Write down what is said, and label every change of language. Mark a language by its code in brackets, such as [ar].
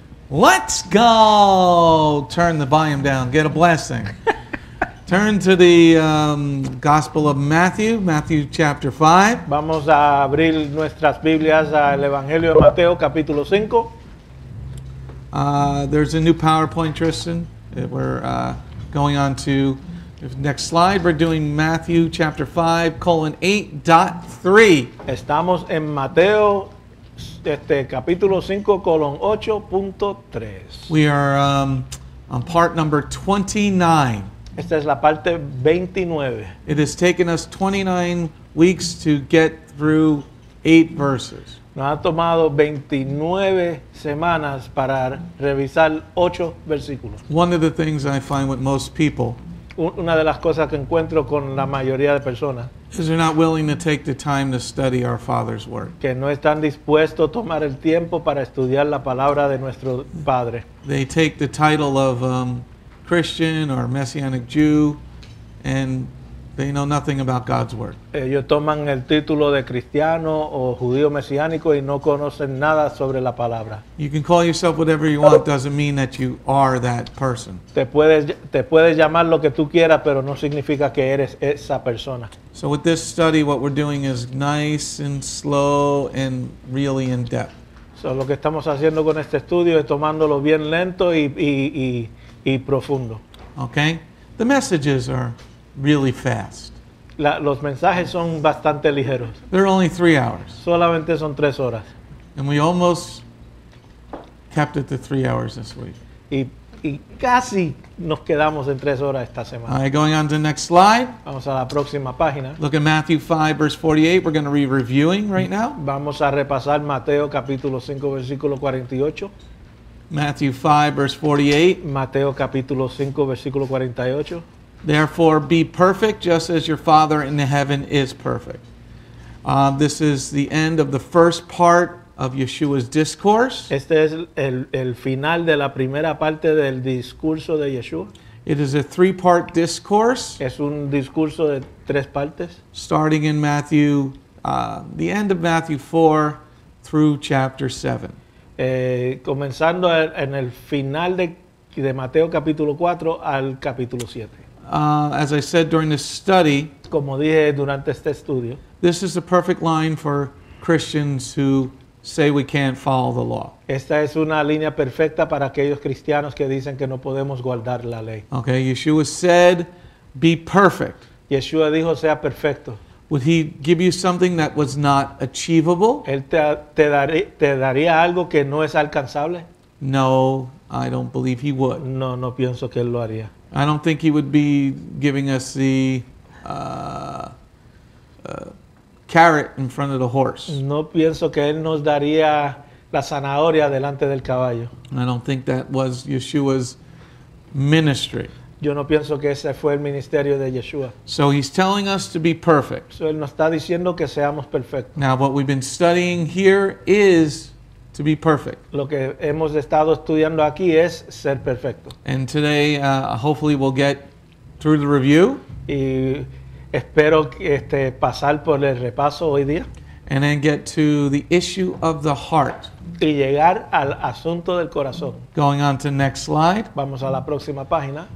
[en] Let's go. Turn the volume down. Get a blessing. Turn to the Gospel of Matthew, Matthew chapter 5. [es] Vamos a abrir nuestras Biblias al Evangelio de Mateo, capítulo 5. [en] There's a new PowerPoint, Tristan. We're going on to the next slide. We're doing Matthew chapter 5, colon 8.3. [es] Estamos en Mateo. Capítulo 5, colon 8.3. [en] We are on part number 29. [es] Esta es la parte 29. [en] It has taken us 29 weeks to get through 8 verses. [es] Nos ha tomado 29 semanas para revisar 8 versículos. [en] One of the things I find with most people, [es] una de las cosas que encuentro con la mayoría de personas, [en] is they're not willing to take the time to study our Father's work. [es] Que no están dispuestos a tomar el tiempo para estudiar la palabra de nuestro Padre. [en] They take the title of Christian or Messianic Jew, and they know nothing about God's work. [es] Ellos toman el título de cristiano o judío mesiánico y no conocen nada sobre la palabra. [en] You can call yourself whatever you want, doesn't mean that you are that person. [es] Te puedes llamar lo que tú quieras, pero no significa que eres esa persona. [en] So with this study, what we're doing is nice and slow and really in depth. [es] So lo que estamos haciendo con este estudio es tomándolo bien lento y profundo. [en] Okay, the messages are really fast. [es] Los mensajes son bastante ligeros. [en] They're only 3 hours. [es] Solamente son 3 horas. [en] And we almost kept it to 3 hours this week. [es] Y casi nos quedamos en 3 horas esta semana. [en] All right, going on to the next slide. [es] Vamos a la próxima página. [en] Look at Matthew 5, verse 48. We're going to be reviewing right now. [es] Vamos a repasar Mateo, capítulo 5, versículo 48. [en] Matthew 5, verse 48. [es] Mateo, capítulo 5, versículo 48. [en] Therefore, be perfect just as your Father in heaven is perfect. This is the end of the first part of Yeshua's discourse. [es] Este es el final de la primera parte del discurso de Yeshua. [en] It is a three-part discourse. [es] Es un discurso de tres partes. [en] Starting in Matthew, the end of Matthew 4 through chapter 7. [es] Comenzando en el final de Mateo capítulo 4 al capítulo 7. [en] As I said during this study, [es] como dije durante este estudio, [en] this is the perfect line for Christians who say we can't follow the law. [es] Esta es una línea perfecta para aquellos cristianos que dicen que no podemos guardar la ley. [en] Okay, Yeshua said, be perfect. [es] Yeshua dijo, sea perfecto. [en] Would he give you something that was not achievable? [es] Él te daría algo que no es alcanzable? [en] No, I don't believe he would. [es] No pienso que él lo haría. [en] I don't think he would be giving us the carrot in front of the horse. [es] No pienso que él nos daría la zanahoria delante del caballo. [en] I don't think that was Yeshua's ministry. [es] Yo no pienso que ese fue el ministerio de Yeshua. [en] So he's telling us to be perfect. [es] So él nos está diciendo que seamos perfectos. [en] Now what we've been studying here is to be perfect. [es] Lo que hemos estado estudiando aquí es ser perfecto. [en] And today, hopefully we'll get through the review. [es] Y Espero pasar por el repaso hoy día. [en] And then get to the issue of the heart. [es] Y llegar al asunto del corazón. [en] Going on to next slide. [es] Vamos a la próxima página.